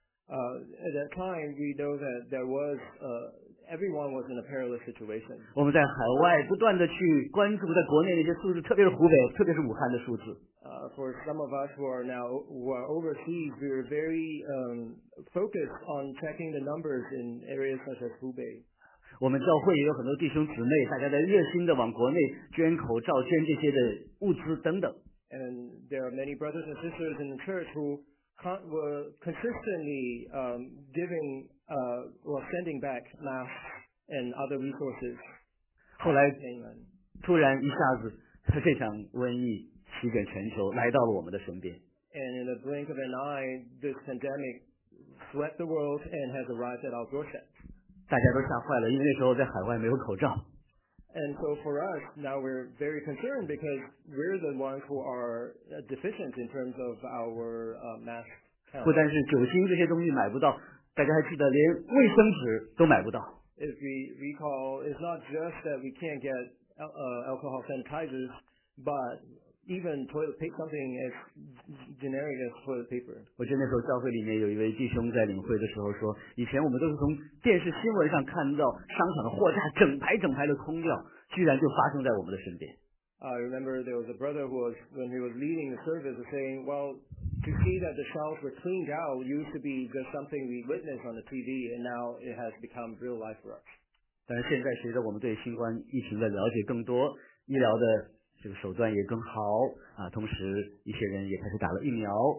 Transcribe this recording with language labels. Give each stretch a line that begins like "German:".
English: At that time, we know that there was, everyone was in a perilous situation.
Chinese: 我们在海外不断的去关注在国内那些数字，特别是湖北，特别是武汉的数字。
English: For some of us who are overseas, we are very, focused on checking the numbers in areas such as Hubei.
Chinese: 我们教会也有很多弟兄姊妹，大家在热心的往国内捐口罩、捐这些的物资等等。
English: And there are many brothers and sisters in the church who were consistently giving or sending back masks and other resources.
Chinese: 后来突然一下子，这场瘟疫席卷全球，来到了我们的身边。
English: And in the blink of an eye, this pandemic swept the world and has arrived at our doorstep.
Chinese: 大家都吓坏了，因为那时候在海外没有口罩。
English: And so for us, now we're very concerned because we're the ones who are deficient in terms of our mask.
Chinese: 不但是酒精这些东西买不到，大家还记得连卫生纸都买不到。
English: If we recall, it's not just that we can't get alcohol sanitizers, but even toilet paper, something as generic as toilet paper.
Chinese: 我记得那时候教会里面有一位弟兄在领会的时候说，以前我们都是从电视新闻上看到商场的货架整排整排的空掉，居然就发生在我们的身边。
English: I remember there was a brother who was, when he was leading the service, saying, well, to see that the shelves were cleaned out used to be just something we witnessed on the TV, and now it has become real life for us.
Chinese: 但是现在随着我们对新冠疫情的了解更多，医疗的这个手段也更好啊，同时一些人也开始打了疫苗。